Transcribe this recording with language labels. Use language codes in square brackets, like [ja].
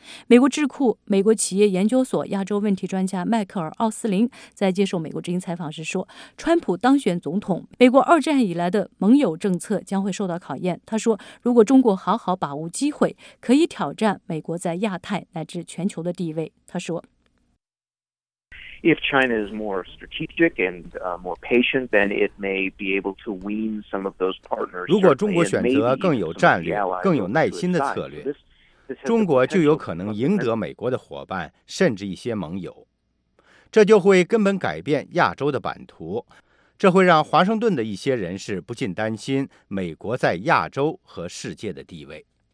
[zh] 美国智库美国企业研究所亚洲问题专家迈克尔·奥斯林在接受美国之音采访时说，川普当选总统，美国二战以来的盟友政策将会受到考验。他说，如果中国好好把握机会，可以挑战美国在亚太乃至全球的地位。他说， [en] If China is more strategic and more patient, then it may be able to wean some of those partners. [zh] 如果中国选择更有战略、更有耐心的策略。中国就有可能赢得美国的伙伴，甚至一些盟友，这就会根本改变亚洲的版图，这会让华盛顿的一些人士不禁担心美国在亚洲和世界的地位。